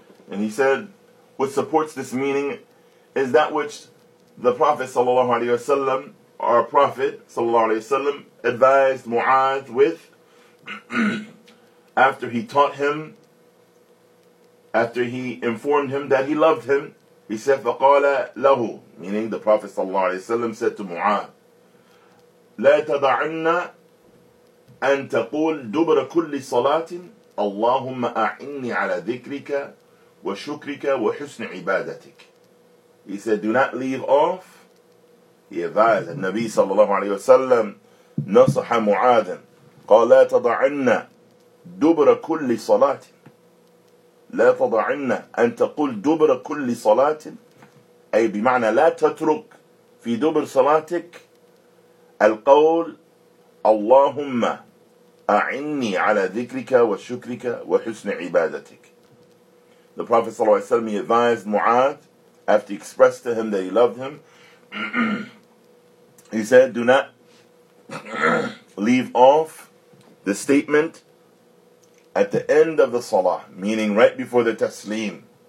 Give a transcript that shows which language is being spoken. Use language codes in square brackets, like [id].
[en] And he said, what supports this meaning is that which the Prophet صلى الله عليه وسلم, our Prophet صلى الله عليه وسلم, advised Mu'adh with after he taught him, after he informed him that he loved him. He said, [ar] فَقَالَ لَهُ, [en] meaning the Prophet ﷺ said to Mu'adh, [ar] لَا تَضَعَنَّ أَن تَقُولَ دُبْرَ كُلِّ صَلَاةٍ اللَّهُمَّ أَعِنِّي عَلَى ذِكْرِكَ وَشُكْرِكَ وَحُسْنِ عِبَادَتِكَ. [en] He said, do not leave off. He advised, the Nabi ﷺ [ar] نصح معاذا قال لا تضعن دبر كل صلاة. لا تضعن أن تقول دبر كل صلاة أي بمعنى لا تترك في دبر صلاتك القول اللهم أعني على ذكرك وشكرك وحسن عبادتك. [en] The Prophet [ar] صلى الله عليه وسلم [en] advised Mu'adh after he expressed to him that he loved him. He said, do not leave off the statement at the end of the salah, meaning right before the taslim.